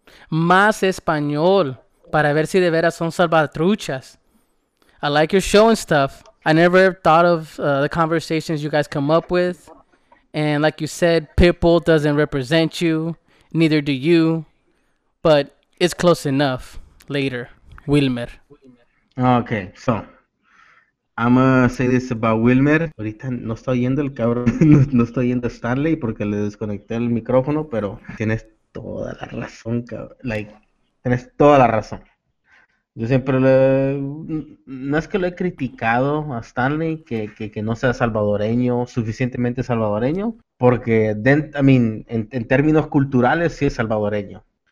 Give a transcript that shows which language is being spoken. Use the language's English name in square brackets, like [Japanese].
[Spanish] Más español para ver si de veras son salvatruchas. [English] I like your show and stuff. I never thought of the conversations you guys come up with. And like you said, Pitbull doesn't represent you. Neither do you. But it's close enough. Later, Wilmer. Okay, so I'm going to say this about Wilmer. [Spanish] Ahorita no está oyendo el cabrón, no está oyendo Stanley porque le desconecté el micrófono, pero tienes toda la razón, cabrón. [English] Like, [Spanish] tienes toda la razón. Yo siempre no es que lo he criticado a Stanley que no sea salvadoreño, suficientemente salvadoreño, porque en términos culturales sí es salvadoreño.